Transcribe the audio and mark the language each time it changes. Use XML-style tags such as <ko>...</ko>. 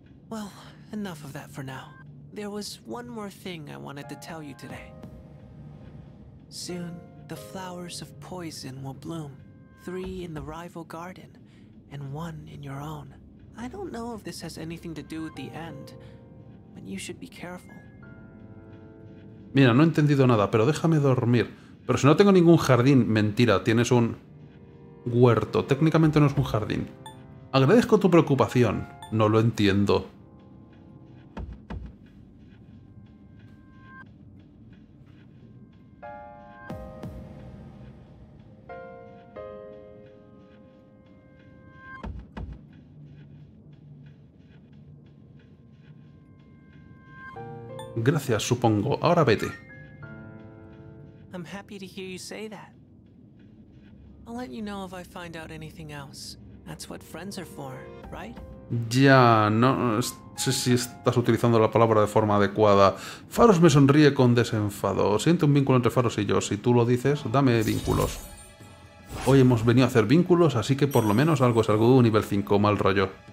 <en>Well, enough of that for now. There was one more thing I wanted to tell you today. Soon, the flowers of poison will bloom. Three in the rival garden, and one in your own. I don't know if this has anything to do with the end, but you should be careful.</en> <es>Mira, no he entendido nada, pero déjame dormir. Pero si no tengo ningún jardín, mentira, tienes un huerto. Técnicamente no es un jardín. Agradezco tu preocupación. No lo entiendo. Gracias, supongo. Ahora vete.</es> <en>I'm happy to hear you say that. I'll let you know if I find out anything else. That's what friends are for, right?</en> <es>Ya, no sé si estás utilizando la palabra de forma adecuada. Faros me sonríe con desenfado. Siento un vínculo entre Faros y yo. Si tú lo dices, dame vínculos. Hoy hemos venido a hacer vínculos, así que por lo menos algo es algo de un nivel 5, mal rollo.</es>